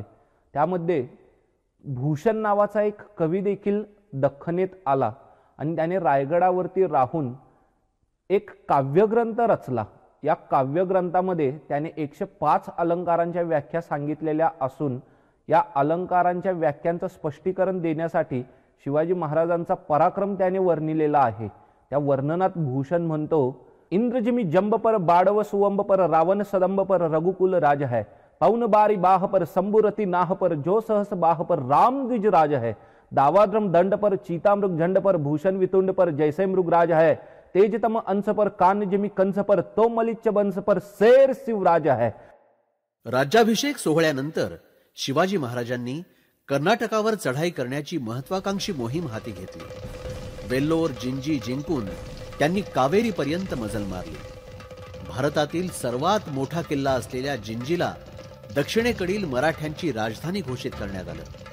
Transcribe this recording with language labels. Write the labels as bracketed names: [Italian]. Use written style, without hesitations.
[Marathi] त्यामध्ये भूषण नावाचा एक कवी देखील दख्खनेत आला आणि त्याने रायगडावरती राहून एक काव्यग्रंथ रचला. या काव्यग्रंथामध्ये त्याने 105 अलंकारांच्या व्याख्या सांगितलेल्या असून या अलंकारांच्या व्याख्यांचं स्पष्टीकरण देण्यासाठी शिवाजी महाराजांचा पराक्रम त्याने वर्णिलेला आहे. त्या वर्णनात भूषण म्हणतो, [Braj] इंद्रजिमी जंब पर बाडव सुवंब पर रावण सदंब पर रघुकुल राज है, पवन बारी बाह पर संबुरती नाह पर जो सहस बाह पर राम द्विज राज है, दावाद्रम दंड पर चीतामृग झंड पर भूषण वितुंड पर जैसे मृग राज है, तेजतम अंश पर कान जिमी कंस पर तो मलिच वंश पर शेर शिव राज है. [Marathi] राज्याभिषेक सोहळ्यानंतर शिवाजी महाराजांनी कर्नाटकावर चढाई करण्याची महत्वाकांक्षी मोहीम हाती घेतली. वेल्लोर जिंजी जिंकून त्यांनी कावेरी पर्यंत मजल मारली. भारतातील सर्वात मोठा किल्ला असलेल्या जिंजीला दक्षिणेकडील मराठ्यांची राजधानी घोषित करण्यात आलं.